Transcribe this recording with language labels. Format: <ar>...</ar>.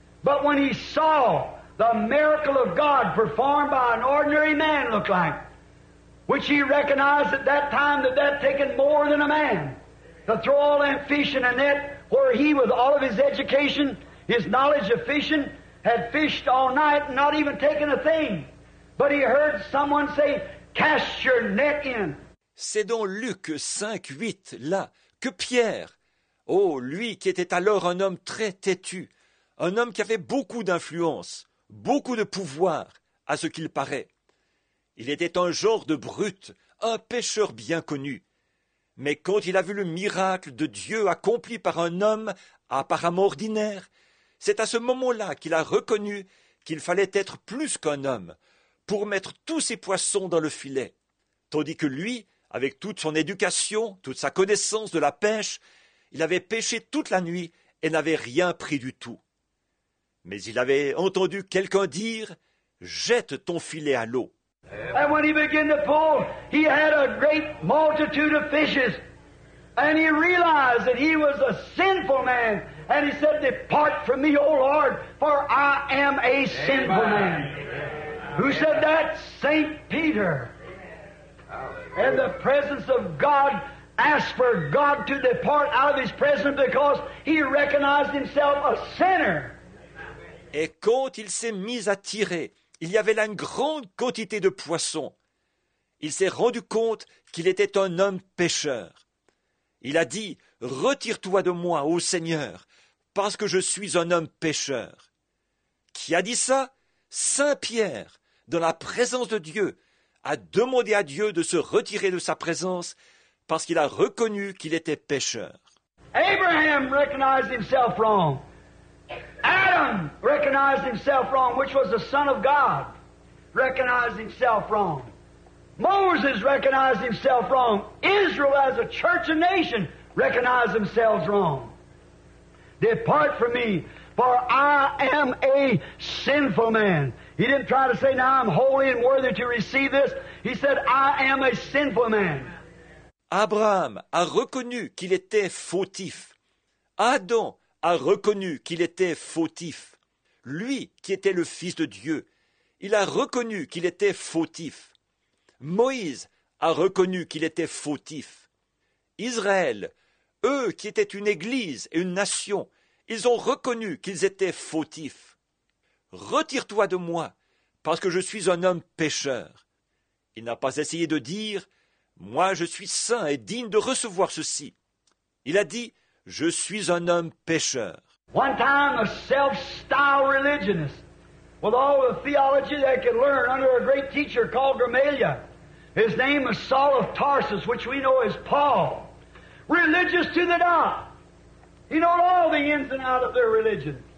<en>But when he saw the miracle of God performed by an ordinary man look like, which he recognized at that time that that taken more than a man to throw all that fish in a net, where he, with all of his education, his knowledge of fishing, had fished all night and not even taken a thing. But he heard someone say, cast your net in.</en> <fr>C'est dans Luc 5, 8, là, que Pierre, oh, lui qui était alors un homme très têtu, un homme qui avait beaucoup d'influence, beaucoup de pouvoir, à ce qu'il paraît. Il était un genre de brute, un pêcheur bien connu. Mais quand il a vu le miracle de Dieu accompli par un homme apparemment ordinaire, c'est à ce moment-là qu'il a reconnu qu'il fallait être plus qu'un homme pour mettre tous ses poissons dans le filet. Tandis que lui, avec toute son éducation, toute sa connaissance de la pêche, il avait pêché toute la nuit et n'avait rien pris du tout. Mais il avait entendu quelqu'un dire « Jette ton filet à l'eau ».</fr> <en>And when he began to pull, he had a great multitude of fishes. And he realized that he was a sinful man. And he said, depart from me, O Lord, for I am a sinful man. Who said that? Saint Peter. In the presence of God, asked for God to depart out of his presence because he recognized himself a sinner.</en> <fr>Et quand il s'est mis à tirer, il y avait là une grande quantité de poissons. Il s'est rendu compte qu'il était un homme pêcheur. Il a dit, « Retire-toi de moi, ô Seigneur, parce que je suis un homme pêcheur. » Qui a dit ça? Saint Pierre, dans la présence de Dieu, a demandé à Dieu de se retirer de sa présence parce qu'il a reconnu qu'il était pêcheur.</fr> <en>Abraham recognized himself wrong. Adam recognized himself wrong, which was the Son of God, recognized himself wrong. Moses recognized himself wrong. Israel as a church and nation recognized themselves wrong. Depart from me, for I am a sinful man. He didn't try to say, now I'm holy and worthy to receive this. He said, I am a sinful man.</en> <fr>Abraham a reconnu qu'il était fautif. Adam a reconnu qu'il était fautif. Lui qui était le Fils de Dieu, il a reconnu qu'il était fautif. Moïse a reconnu qu'il était fautif. Israël, eux qui étaient une église et une nation, ils ont reconnu qu'ils étaient fautifs. Retire-toi de moi, parce que je suis un homme pécheur. Il n'a pas essayé de dire, moi je suis saint et digne de recevoir ceci. Il a dit, je suis un homme pécheur.</fr> <en>One time a self-styled religionist with all the theology that could learn under a great teacher called Gamaliel. His name was Saul of Tarsus, which we know as Paul. Religious to the dot. He knew all the ins and outs of their religion.</en>